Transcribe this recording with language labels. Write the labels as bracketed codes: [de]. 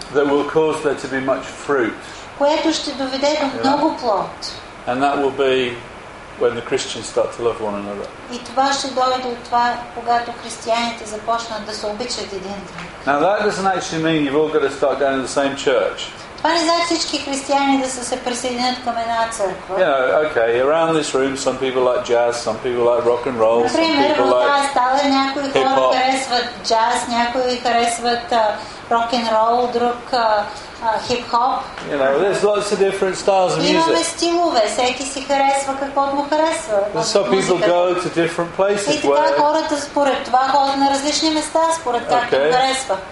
[en] That will cause there to be much fruit. [bg] Което ще доведе до много плод. [en] And that will be when the Christians start to love one another. [bg] И това ще дойде от това, когато християните започнат да се обичат един друг. [en] Now that doesn't actually mean you've all got to start going to the same church. [bg] Това не значи всички християни да се присъединят към една църква. [en] You know, okay, around this room some people like jazz, some people like rock and roll, some people like hip-hop. [bg] Някои хора харесват джаз, някои харесват rock and roll, друг hip-hop. [en] You know, there's lots of different styles of music. [bg] Имаме стилове, всеки си харесва каквото му харесва. [en] And so people go to different places. [bg] И така хората според това ходят на различни места, според както харесва.